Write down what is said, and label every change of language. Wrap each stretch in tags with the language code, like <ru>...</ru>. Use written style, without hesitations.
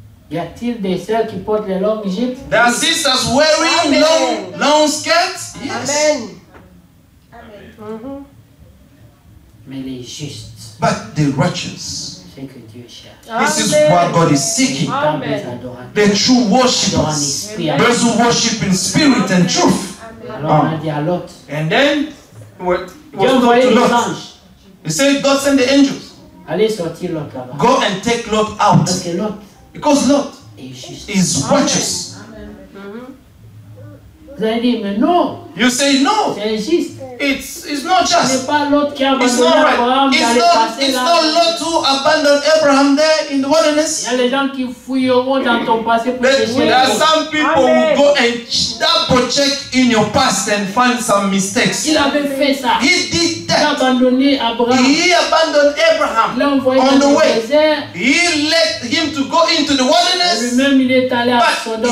<fr>Y a-t-il des sœurs qui portent les longues jupes?</fr> <en>There are sisters wearing amen, long, long skirts? Yes. Amen. Amen. Mm-hmm.</en> <fr>Mais les justes.</fr> <en>But the righteous.</en> <fr>Ce que Dieu cherche.</fr> <en>This is what God is seeking. Amen. The true worshippers. Those who worship in spirit amen, and truth.</en> <fr>Alors on a dit à Lot.</fr> <en>And then, what God to Lot? He said, God send the angels.</en> <fr>Allez sortir Lot là-bas.</fr> <en>Go and take Lot out.</en> <fr>Parce que Lot.</fr> <en>Because Lot</en> <fr>juste.</fr> <en>Is righteous.</en> <fr>Vous avez dit, mais non.</fr> <en>You say no.</en> <fr>C'est juste.</fr> <en>It's not just.</en> <fr>C'est pas l'autre qui a abandonné</fr> <en>it's not right. Abraham. It's not Lot who abandoned Abraham there in the wilderness.</en> <fr>Il y a des gens qui fouilleront dans ton passé pour chercher.</fr> <en>There are some people amen, who go and double check in your past and find some mistakes.</en> <fr>Il avait fait ça.</fr> <en>He did that.</en> <fr>Il a abandonné Abraham.</fr> <en>He abandoned Abraham.</en> <fr>Il l'a envoyé dans le désert.</fr> <en>He let him to go into the wilderness.</en> <fr>Lui-même il est allé à Sodome</fr>